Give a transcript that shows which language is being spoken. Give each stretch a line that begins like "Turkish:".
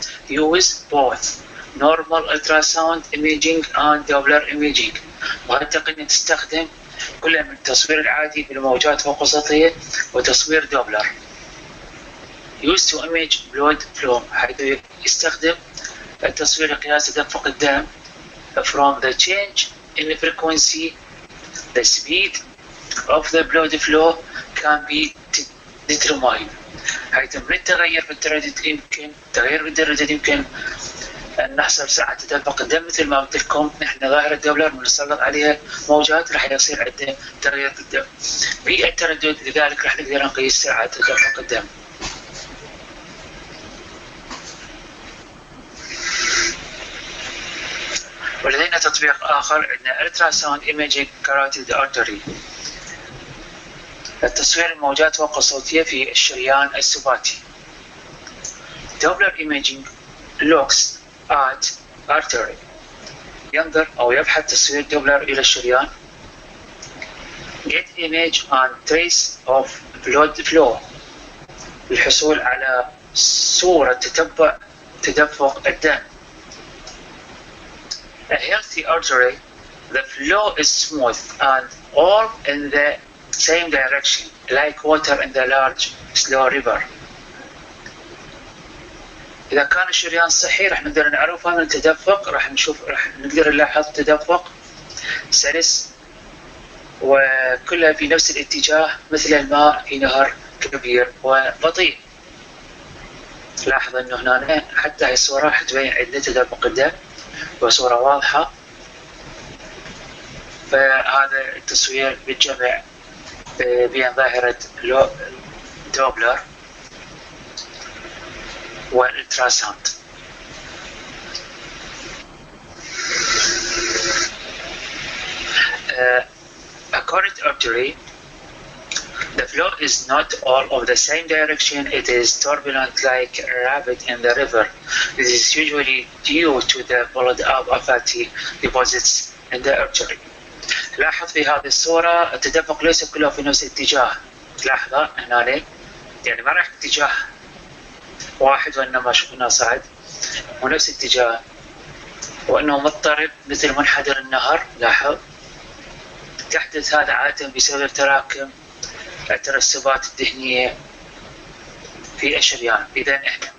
English: Use both normal ultrasound imaging and Doppler imaging.
Arabic: وهذه التقنية تستخدم كل من التصوير العادي بالموجات فوق السطحية وتصوير دوبلر.
English: Use to image blood flow،
Arabic: حيث يستخدم التصوير لقياس تدفق الدم.
English: From the change in frequency, the speed of the blood flow can be determined.
Arabic: حيث من التغير في التردد يمكن، تغير في التردد يمكن أن نحصل سعة تدفق الدم. مثل ما قلت لكم نحن ظاهرة دوبلر بنسلط عليها موجات راح يصير عندنا تغير في الدم في التردد، لذلك راح نقدر نقيس سعة تدفق الدم. ولدينا تطبيق آخر عندنا
English: ultrasound imaging carotid artery،
Arabic: التصوير الموجات فوق الصوتية في الشريان السباتي.
English: Doppler imaging looks at artery،
Arabic: ينظر أو يبحث تصوير دوبلر إلى الشريان.
English: Get image and trace of blood flow،
Arabic: للحصول على صورة تتبع تدفق الدم.
English: A healthy artery, the flow is smooth and all in the same direction, like water in the large slow river.
Arabic: إذا كان الشريان صحي راح نقدر نعرفه من التدفق، راح نشوف راح نقدر نلاحظ التدفق سلس وكله في نفس الاتجاه مثل الماء في نهر كبير وبطيء. لاحظ انه هنا حتى هاي الصورة راح تبين عندنا تدفق الدم وصورة واضحة. فهذا التصوير بالجمع بين ظاهرة دوبلر والتراساوند.
English: A carotid artery, the flow is not all of the same direction. It is turbulent like a rapid in the river. This is usually due to the blood of a fatty deposits in the artery.
Arabic: لاحظ في هذه الصورة التدفق ليس كله في نفس الاتجاه. لاحظة هنا يعني ما راح اتجاه واحد وإنما شفنا صعد ونفس اتجاه وإنه مضطرب مثل منحدر النهر. لاحظ تحدث هذا عادة بسبب تراكم الترسبات الدهنية في الشريان. إذا إحنا